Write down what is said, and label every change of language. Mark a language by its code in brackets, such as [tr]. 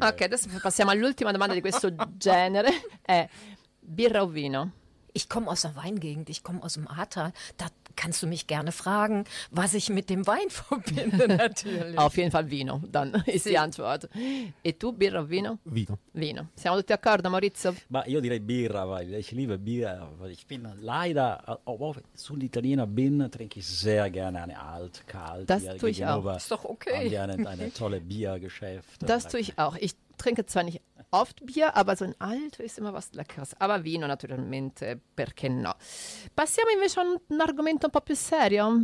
[it] Okay, das passiamo all'ultima domanda di questo genere. Birra o vino? [de] Ich komme aus der Weingegend, ich komme aus dem Ahrtal. Da kannst du mich gerne fragen, was ich mit dem Wein verbinde, natürlich. Auf jeden Fall vino, dann ist die Antwort. [it] E tu, birra o vino? Vino. Vino. Siamo tutti d'accordo, Maurizio? Ma io direi birra, [de] weil ich liebe birra. Ich bin leider, sul Italiener bin, trinke ich sehr gerne eine alt, kalt. Das tue ich auch. Ist doch okay. Und eine tolle Biergeschäft. Das tue ich auch. Ich trinke zwar nicht oft Bier, aber so ein Alto ist immer was Leckeres. [it] Aber Vino naturalmente, perché no? Passiamo invece a un argomento un po' più serio.